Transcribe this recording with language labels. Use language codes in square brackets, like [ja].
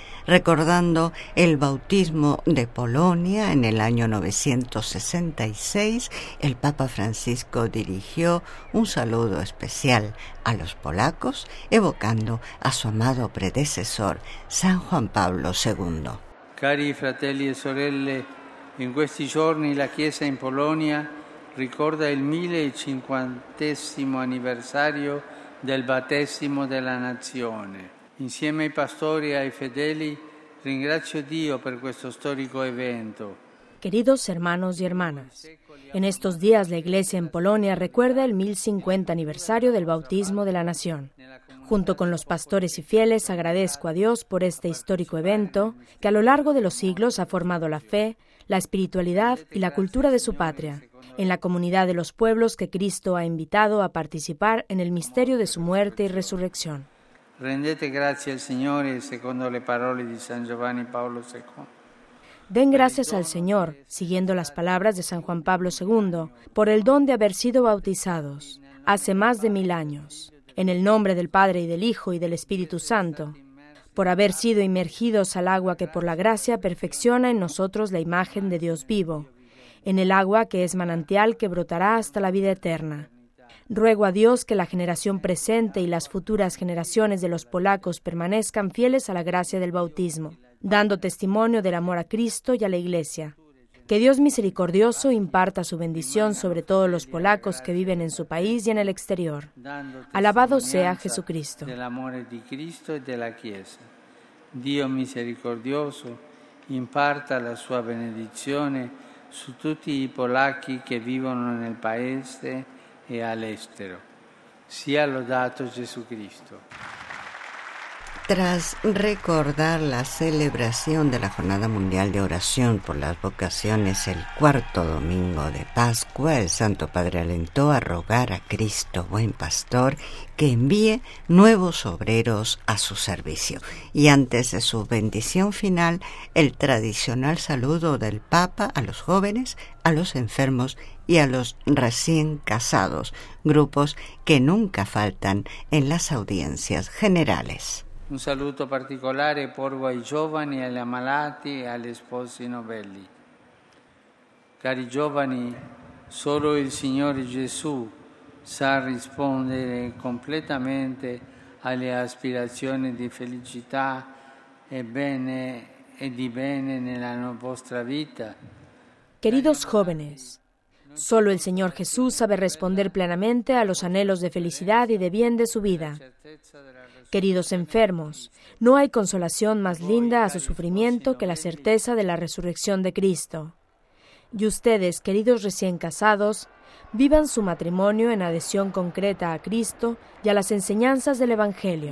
[es] Recordando el bautismo de Polonia en el año 966, el Papa Francisco dirigió un saludo especial a los polacos, evocando a su amado predecesor, San Juan Pablo II. [it] Cari fratelli e sorelle, in questi giorni la Chiesa in Polonia ricorda il 1050° anniversario del battesimo della nazione. Insieme ai pastori e ai fedeli, ringrazio Dio per questo storico evento. [es] Queridos hermanos y hermanas, en estos días la Iglesia en Polonia recuerda el 1050 aniversario del bautismo de la nación. Junto con los pastores y fieles, agradezco a Dios por este histórico evento que a lo largo de los siglos ha formado la fe, la espiritualidad y la cultura de su patria, en la comunidad de los pueblos que Cristo ha invitado a participar en el misterio de su muerte y resurrección. [it] Rendete grazie al Signore secondo le parole di San Giovanni Paolo II. [es] Den gracias al Señor, siguiendo las palabras de San Juan Pablo II, por el don de haber sido bautizados hace más de 1000 años, en el nombre del Padre y del Hijo y del Espíritu Santo, por haber sido inmergidos al agua que por la gracia perfecciona en nosotros la imagen de Dios vivo, en el agua que es manantial que brotará hasta la vida eterna. Ruego a Dios que la generación presente y las futuras generaciones de los polacos permanezcan fieles a la gracia del bautismo, dando testimonio del amor a Cristo y a la Iglesia. Que Dios misericordioso imparta su bendición sobre todos los polacos que viven en su país y en el exterior. Alabado sea Jesucristo. Del amor de Cristo y de la Chiesa. Dios misericordioso imparta [it] la sua benedizione su tutti i polacchi che vivono nel paese e all'estero. Sia lodato Gesù Cristo. [es] Tras recordar la celebración de la Jornada Mundial de Oración por las Vocaciones el cuarto domingo de Pascua, el Santo Padre alentó a rogar a Cristo, buen pastor, que envíe nuevos obreros a su servicio. Y antes de su bendición final, el tradicional saludo del Papa a los jóvenes, a los enfermos y a los recién casados, grupos que nunca faltan en las audiencias generales. [it] Un saluto particolare porgo ai giovani, agli ammalati e agli sposi novelli. Cari giovani, solo il Signore Gesù sa rispondere completamente alle aspirazioni di felicità e bene e di bene nella vostra vita. [es] Queridos jóvenes, Solo el Señor Jesús sabe responder plenamente a los anhelos de felicidad y de bien de su vida. Queridos enfermos, no hay consolación más linda a su sufrimiento que la certeza de la resurrección de Cristo. Y ustedes, queridos recién casados, vivan su matrimonio en adhesión concreta a Cristo y a las enseñanzas del Evangelio.